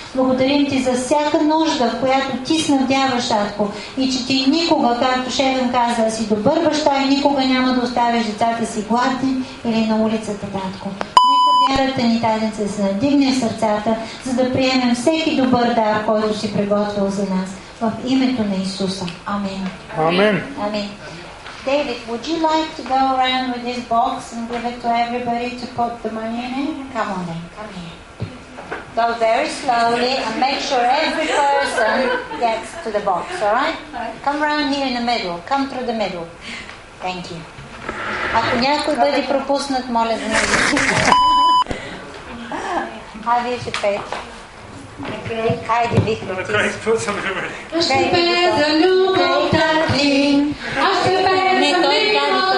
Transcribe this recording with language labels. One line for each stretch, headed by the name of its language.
Bulgarian: Благодарим Ти за всяка нужда, в която Ти снабдяваш, Татко, и че Ти никога, както Шеган каза, си добър баща и никога няма да оставиш децата си гладни или на улицата, Татко. Вярата ни тази се надигне в сърцата, за да приемем всеки добър дар, който си приготвил за нас. В името на Исуса. Амин. Амин. Амин.
English: David, would you like to go around with this box and give it to everybody to put the money in? Come on then, come here. Go very slowly and make sure every person gets to the box, alright? Come around here in the middle. Come through the middle. Thank you.
Bulgarian: Ако някой бъде пропуснат, моля за него. Аз ще бе за любовта ти, аз ще бе за мила.